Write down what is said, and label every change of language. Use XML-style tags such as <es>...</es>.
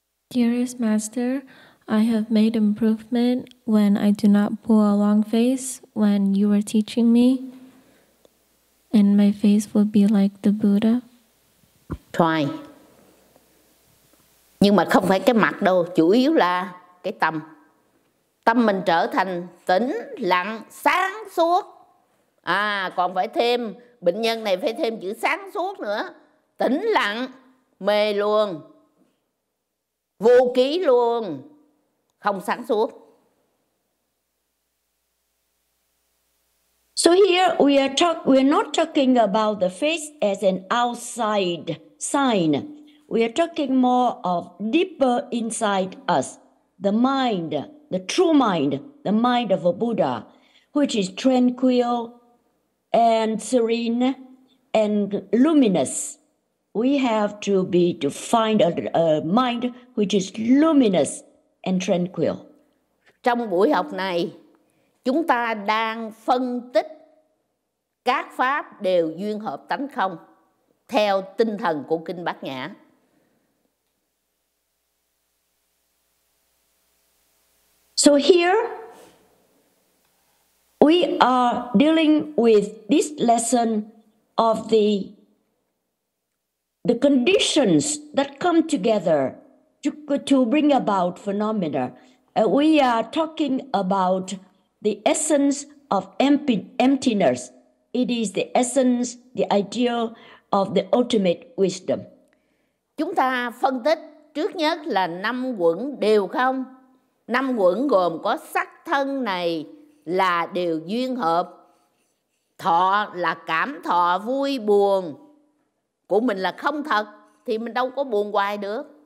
<en>Dearest Master, I have made improvement when I do not pull a long face when you are teaching me, and my face will be like the Buddha. Try.</en> <vi>Nhưng mà không phải cái mặt đâu, chủ yếu là cái tâm. Tâm mình trở thành tĩnh, lặng, sáng suốt. À, còn phải thêm, bệnh nhân này phải thêm chữ sáng suốt nữa. Tĩnh lặng, mê luôn, vô ký luôn, không sáng suốt.</vi> <en>So here we're not talking about the face as an outside sign. We are talking more of deeper inside us, the mind, the true mind, the mind of a Buddha, which is tranquil and serene and luminous. We have to be to find a mind which is luminous and tranquil.</en> <vi>Trong buổi học này, chúng ta đang phân tích các pháp đều duyên hợp tánh không theo tinh thần của Kinh Bát Nhã.</vi> <en>So here we are dealing with this lesson of the conditions that come together to bring about phenomena. We are talking about the essence of emptiness. It is the essence, the ideal of the ultimate wisdom.</en> <vi>Chúng ta phân tích trước nhất là năm uẩn đều không. Năm uẩn gồm có sắc thân này là đều duyên hợp. Thọ là cảm thọ vui buồn. Của mình là không thật thì mình đâu có buồn hoài được.</vi>